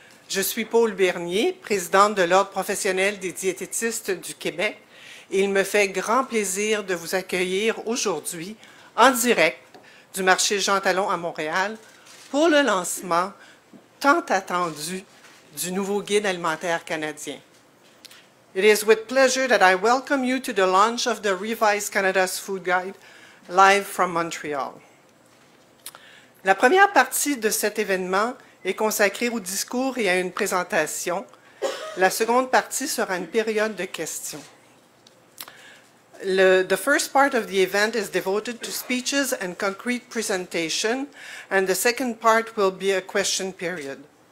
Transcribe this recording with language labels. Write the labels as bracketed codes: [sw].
[fr] Je suis Paul Bernier, présidente de l'Ordre professionnel des diététistes du Québec. Il me fait grand plaisir de vous accueillir aujourd'hui en direct du marché Jean Talon à Montréal pour le lancement tant attendu du nouveau guide alimentaire canadien. [en] It is with pleasure that I welcome you to the launch of the revised Canada's Food Guide live from Montreal. [fr] La première partie de cet événement est consacrée au discours et à une présentation. La seconde partie sera une période de questions. [en] The first part of the event is devoted to speeches and concrete presentation, and the second part will be a question period.